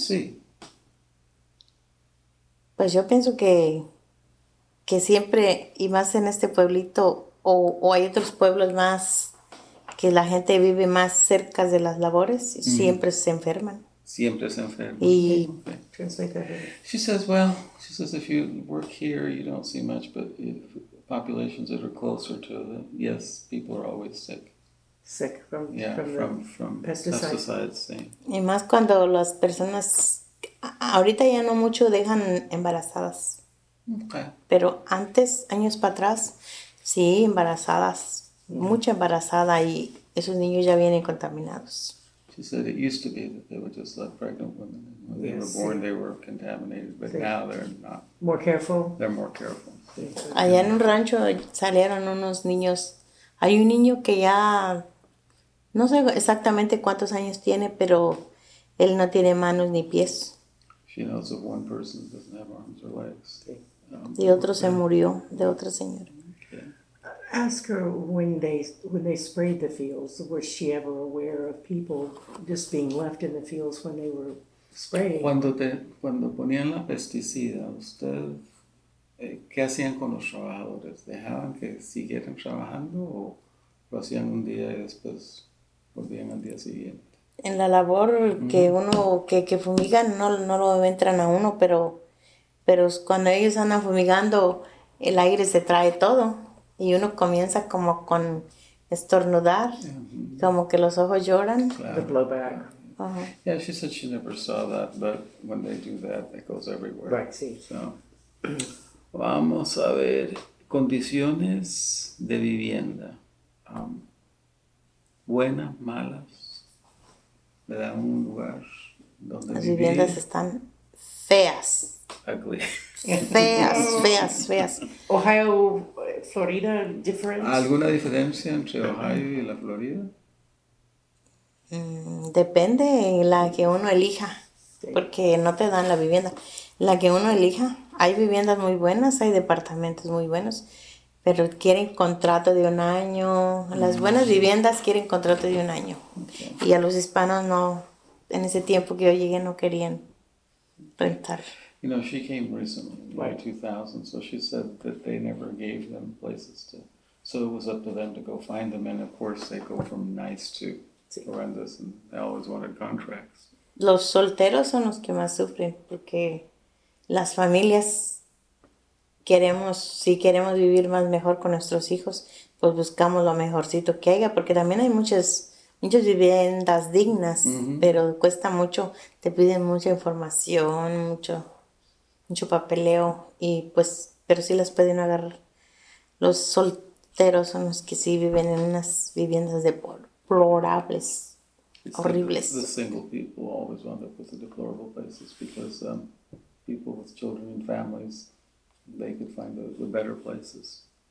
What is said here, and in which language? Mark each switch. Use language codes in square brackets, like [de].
[es] Sí. Pues yo pienso que siempre, y más en este pueblito, o hay otros pueblos más que la gente vive más cerca de las labores, y siempre se enferman. Siempre se enferman. Sí, Y [en] okay. [es] pienso que también. [en] She says, well, she says if you work here, you don't see much, but if populations that are closer to the, yes, people are always sick. Sick Yeah, from the from pesticide. pesticides, sí. [es] Y más cuando las personas, ahorita ya no mucho dejan embarazadas, [en] Okay. [es] pero antes, años para atrás, sí, embarazadas, [en] Yeah. [es] mucha embarazada y esos niños ya vienen contaminados. [en] She said it used to be that they would just let pregnant women, when they were Yes, born, they were contaminated, but [es] sí. [en] now they're not. More careful. They're more careful. [es] Sí. Allá en un rancho salieron unos niños, hay un niño que ya. No sé exactamente cuántos años tiene, pero él no tiene manos ni pies. [en] She knows of one person who doesn't have arms or legs. [es] Y otro se murió de otra señora. [en] Okay. Ask her when they sprayed the fields, was she ever aware of people just being left in the fields when they were spraying? [es] Cuando ponían la pesticida, ¿usted qué hacían con los trabajadores? ¿Dejaban que siguieran trabajando o lo hacían un día y después volvían al día siguiente? En la labor que uno que fumigan no lo entran a uno, pero cuando ellos andan fumigando, el aire se trae todo y uno comienza como con estornudar, como que los ojos lloran. [en] The blowback. Yeah, she said she never saw that, but when they do that, it goes everywhere. Right, sí. [es] So, vamos a ver, condiciones de vivienda, buenas, malas, le dan un lugar donde Las viviendas vivir, están feas. Feas, feas, [en] ugly. [es] feas. [en] Ohio, Florida, different. [es] ¿Alguna diferencia entre Ohio y la Florida? Depende de la que uno elija, porque no te dan la vivienda. La que uno elija, hay viviendas muy buenas, hay departamentos muy buenos, pero quieren contrato de un año. Las buenas viviendas quieren contrato de un año. Y a los hispanos no. En ese tiempo que yo llegué no querían rentar. [en] You know, she came recently, in the year Right. 2000, so she said that they never gave them places to, so it was up to them to go find them, and of course they go from nice to horrendous, and they always wanted contracts. [es] Los solteros son los que más sufren porque las familias queremos, si queremos vivir más mejor con nuestros hijos, pues buscamos lo mejorcito que haya, porque también hay muchas viviendas dignas. Pero cuesta mucho, te piden mucha información, mucho papeleo y pues, pero sí las pueden agarrar. Los solteros son los que sí viven en unas viviendas deplorables, [en] He said the [es] horribles. [en] single people always wound up with the deplorable places because people with children and families, they could find the better places.